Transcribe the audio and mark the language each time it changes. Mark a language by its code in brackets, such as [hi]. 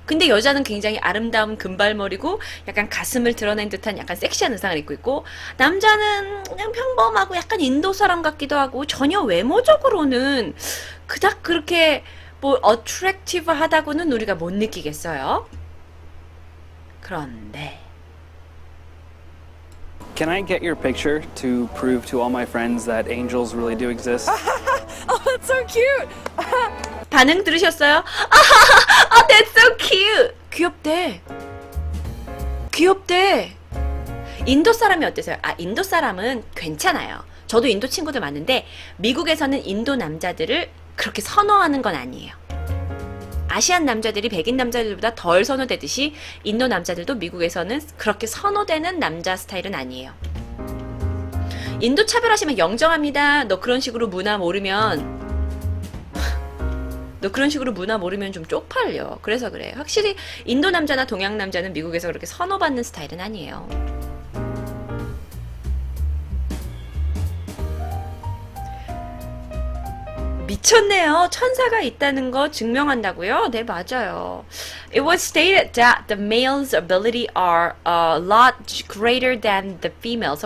[ko] 근데 여자는 굉장히 아름다운 금발머리고 약간 가슴을 드러낸 듯한 약간 섹시한 의상을 입고 있고 남자는 그냥 평범하고 약간 인도 사람 같기도 하고 전혀 외모적으로는 그닥 그렇게 뭐 어트랙티브하다고는 우리가 못 느끼겠어요. 그런데 [en] Can I get your picture to prove to all my friends that angels really do exist? [ko] 반응 들으셨어요? 아하하! [en] Oh, that's so cute! [ko] 귀엽대. 귀엽대. 인도 사람이 어때서요? 아, 인도 사람은 괜찮아요. 저도 인도 친구들 많은데 미국에서는 인도 남자들을 그렇게 선호하는 건 아니에요. 아시안 남자들이 백인 남자들보다 덜 선호되듯이 인도 남자들도 미국에서는 그렇게 선호되는 남자 스타일은 아니에요. 인도 차별하시면 영정합니다. 너 그런 식으로 문화 모르면 좀 쪽팔려. 그래서 그래. 확실히 인도 남자나 동양 남자는 미국에서 그렇게 선호받는 스타일은 아니에요. 미쳤네요. 천사가 있다는 거 증명한다고요? 네, 맞아요. [en] It was stated that the male's ability are a lot greater than the female's.